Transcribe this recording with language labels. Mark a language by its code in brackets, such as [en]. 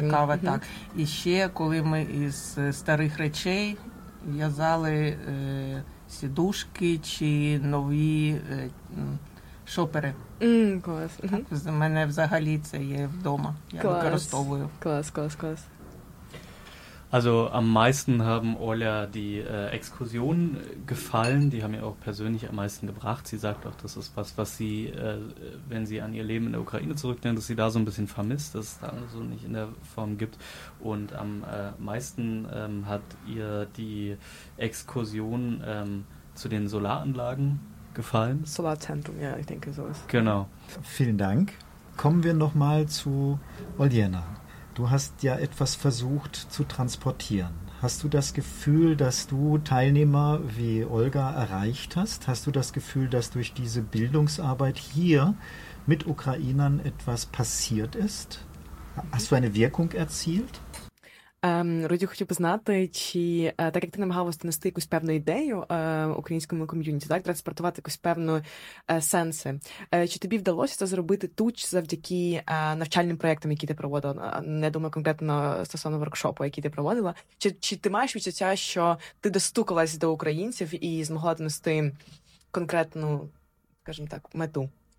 [uk] цікаво, так. І ще, коли ми із старих речей в'язали сідушки чи нові шопери. Клас. У мене взагалі це є вдома. Я використовую. Клас. [de] Also am meisten haben Olja die Exkursionen gefallen, die haben ihr auch persönlich am meisten gebracht. Sie sagt auch, das ist was, was sie, wenn sie an ihr Leben in der Ukraine zurückdenkt, dass sie da so ein bisschen vermisst, dass es da so nicht in der Form gibt. Und am meisten hat ihr die Exkursion zu den Solaranlagen gefallen. Solarzentrum, ja, ich denke so ist. Genau. Vielen Dank. Kommen wir nochmal zu Oljena. Du hast ja etwas versucht zu transportieren. Hast du das Gefühl, dass du Teilnehmer wie Olga erreicht hast? Hast du das Gefühl, dass durch diese Bildungsarbeit hier mit Ukrainern etwas passiert ist? Hast du eine Wirkung erzielt? [uk] Роді, хотів би знати, чи так як ти намагалась донести якусь певну ідею українському ком'юніті, так, транспортувати якусь певну сенси, чи тобі вдалося це зробити тут завдяки навчальним проєктам, які ти проводила, не думаю конкретно стосовно воркшопу, який ти проводила, чи ти маєш відчуття, що ти достукалась до українців і змогла донести конкретну, скажімо так, мету?